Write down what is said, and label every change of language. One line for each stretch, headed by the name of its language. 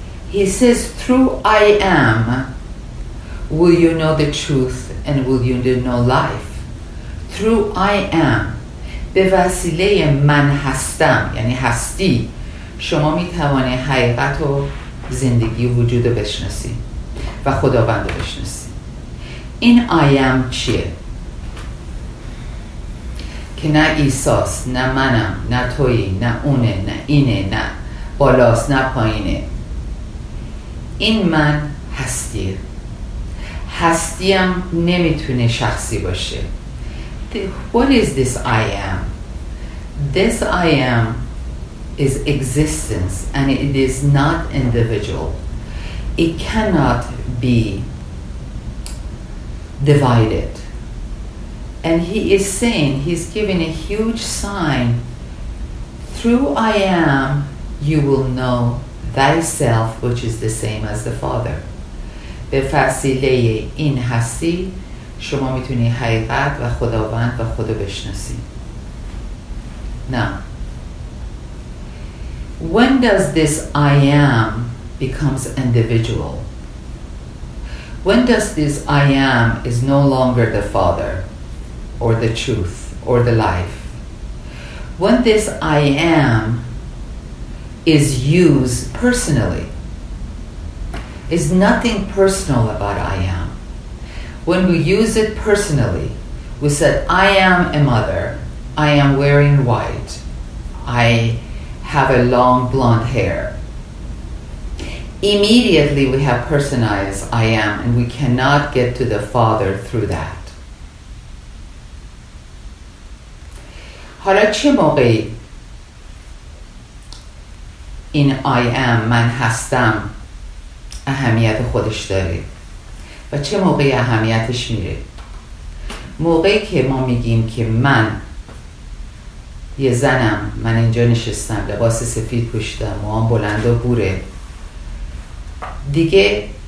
English: He says, through I am will you know the truth and will you know life. Through I am,
Persian: به وسیله من هستم، یعنی هستی، شما میتوانی حقیقت و زندگی و وجود رو بشناسی و خداوند رو بشناسی. این I am چیه؟ که نه عیساست، نه منم، نه توی، نه اونه، نه اینه، نه بالاست، نه پایینه. این من هستی. هستیم نمیتونه شخصی باشه.
English: What is this I am? This I am is existence and it is not individual. It cannot be divided. And he is saying, he's giving a huge sign. Through I am you will know thyself, which is the same as the Father.
Persian: به وسیله این هستی شما میتونی حقیقت و خداوند و خودو بشناسی.
English: Now, when does this I am becomes individual? When does this I am is no longer the Father or the truth or the life? When this I am is used personally? Is nothing personal about I am? When we use it personally, we said, I am a mother, I am wearing white, I have a long blonde hair. Immediately we have personalized I am, and we cannot get to the Father through that.
Persian: حالا چه موقعی این I am, من هستم, اهمیت خودش داره و چه موقعی اهمیتش میره؟ موقعی که ما میگیم که من یه زنم, من اینجا نشستم, لباس سفید پوشیدم, موهام بلند و بوره, دیگه